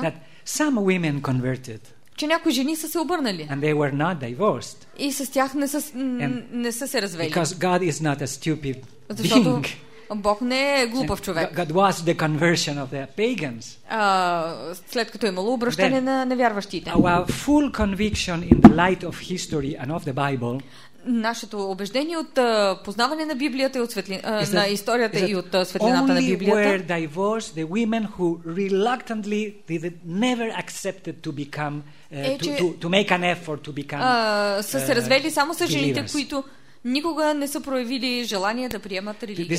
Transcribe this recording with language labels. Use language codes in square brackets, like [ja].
[en] That some women converted. [bg] Че някои жени са се обърнали. [en] And they were not divorced. [bg] И с тях не са се развели. [en] Because God is not a stupid being. [bg] Бог не е глупав човек. [en] God was the conversion of the pagans. [bg] След като имало обръщане на невярващите. [en] Our full conviction in the light of history and of the Bible. [bg] Нашето убеждение от познаване на Библията и от на историята и от светлината на Библията. [en] Only were divorced the women who reluctantly did never accepted to become to make an effort to become. [bg] Са се развели само с жените, които никога не са проявили желание да приемат религия.